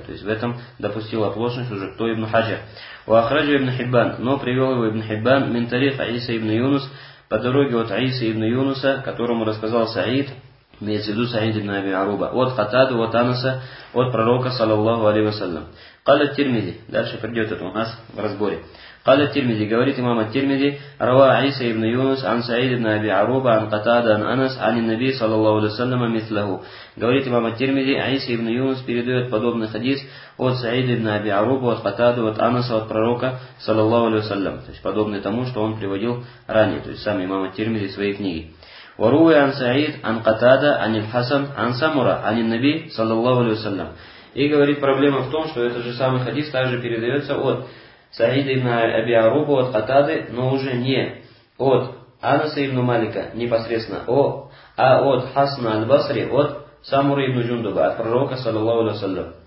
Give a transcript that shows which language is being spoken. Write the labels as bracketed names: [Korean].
[Russian] То есть в этом допустил оплошность уже кто ибн Хаджар. [Arabic] «Ва ахраджу ибн Хиббан». [Russian] Но привел его ибн Хиббан мин тарих Аиса ибн Юнус. По дороге от Аиса ибн Юнуса, которому рассказал Саид, имеется в виду Саид ибн Аби Аруба, от Хатаду, от Анаса, от пророка, саллаллаху алейхи ва саллям. [Arabic] «Кал ат-Тирмизи». [Russian] Дальше придет это у нас в разборе. [Arabic] قال الترمذي [Russian] говорит имам ат-Тирмизи [Arabic] روى عيسى ابن يونس عن سعيد بن ابي عروبه عن قتاده عن انس عن النبي صلى الله عليه وسلم مثله. [Russian] Говорит имам ат-Тирмизи, عيسى ابن يونس передает подобный хадис от Саида ибн Аби Аруба, от Катады, от Анаса, от пророка [Arabic] صلى الله عليه وسلم, [Russian] то есть подобный тому, что он приводил ранее, то есть сам имам ат-Тирмизи в своей книге. [Arabic] وروى عن سعيد عن قتاده عن الحسن عن سمره عن النبي صلى الله عليه وسلم. [Russian] И говорит, проблема в том, что этот же самый хадис также передается от Саида ибн Аби Арубу, от Катады, но уже не от Анаса ибн Малика непосредственно, а от Хасна аль-Басри, от Самура ибн Джундуба, от пророка, саллаллаху алейхи ва саллям.